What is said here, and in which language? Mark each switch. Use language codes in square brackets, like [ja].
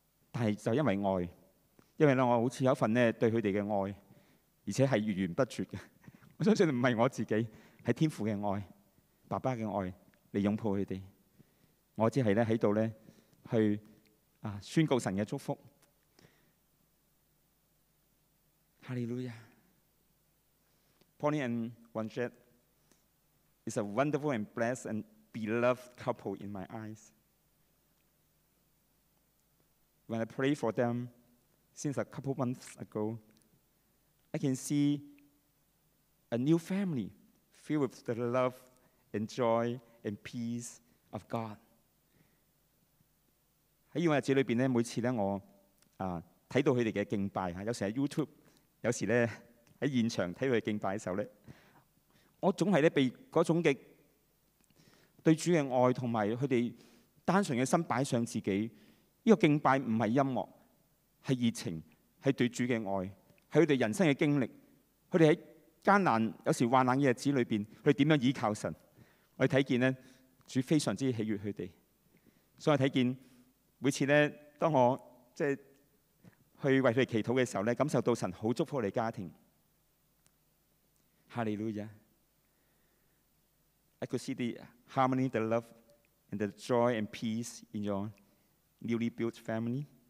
[zh] 但是就因為愛，因為我好像有一份對他們的愛，而且是源源不絕的，我相信不是我自己，是天父的爱，爸爸的爱来拥抱他们。我只是在这里去宣告神的祝福。哈利路亚。 [en] Pauline and Ronchette is a wonderful and blessed and beloved couple in my eyes. When I pray for them since a couple months ago, I can see a new family. Filled with the love and joy and peace of God. [zh] 在以往日子里面，每次我看到他们的敬拜，有时在 YouTube， 有时在现场看到他们敬拜的时候，我总是被那种的对主的爱和他们单纯的心摆上自己。这个敬拜不是音乐，是热情，是对主的爱，是他们人生的经历，他们在艰难有时患难的日子里面，他们怎样依靠神，我们看见主非常之喜悦他们。所以我看见每次当我去为他们祈祷的时候，感受到神很祝福你的家庭。哈利路亚。 [en] I could see the harmony, the love and the joy and peace in your newly built family.